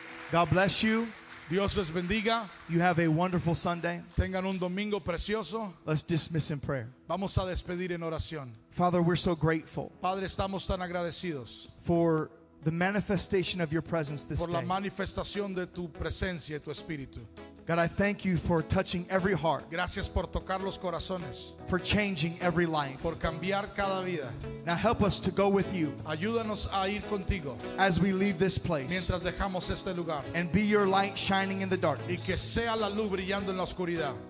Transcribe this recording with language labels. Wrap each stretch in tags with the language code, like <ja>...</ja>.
<en>God bless you.</en> <es>Dios les bendiga.</es> <en>You have a wonderful Sunday.</en> <es>Tengan un domingo precioso.</es> <en>Let's dismiss in prayer.</en> <es>Vamos a despedir en oración.</es> <en>Father, we're so grateful.</en> <es>Padre, estamos tan agradecidos.</es> <en>For the manifestation of your presence this day.</en> <es>Por la manifestación de tu presencia y tu espíritu.</es> <en>God, I thank you for touching every heart.</en> <es>Gracias por tocar los corazones.</es> <en>For changing every life.</en> <es>Por cambiar cada vida.</es> <en>Now help us to go with you.</en> <es>Ayúdanos a ir contigo.</es> <en>As we leave this place.</en> <es>Mientras dejamos este lugar.</es> <en>And be your light shining in the darkness.</en> <es>Y que sea la luz brillando en la oscuridad.</es>